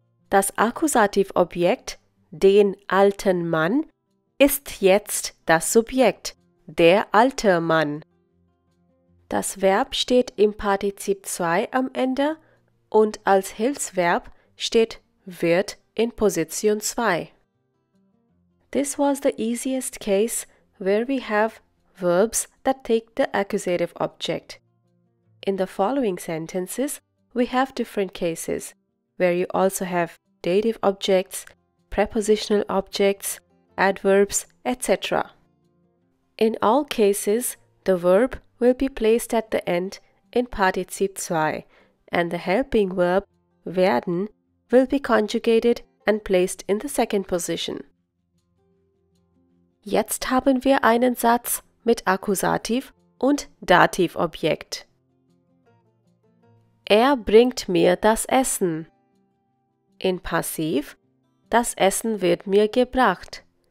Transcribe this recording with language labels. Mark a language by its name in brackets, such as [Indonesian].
[German] Das Akkusativobjekt, den alten Mann, ist jetzt das Subjekt, der alte Mann. Das Verb steht im Partizip 2 am Ende und als Hilfsverb steht wird in Position 2. [English] This was the easiest case where we have verbs that take the accusative object. In the following sentences, we have different cases where you also have dative objects, prepositional objects, adverbs, etc. In all cases, the verb will be placed at the end in Partizip 2 and the helping verb werden will be conjugated and placed in the second position. [German] Jetzt haben wir einen Satz mit Akkusativ und Dativobjekt. Er bringt mir das Essen. In Passiv, das Essen wird mir gebracht.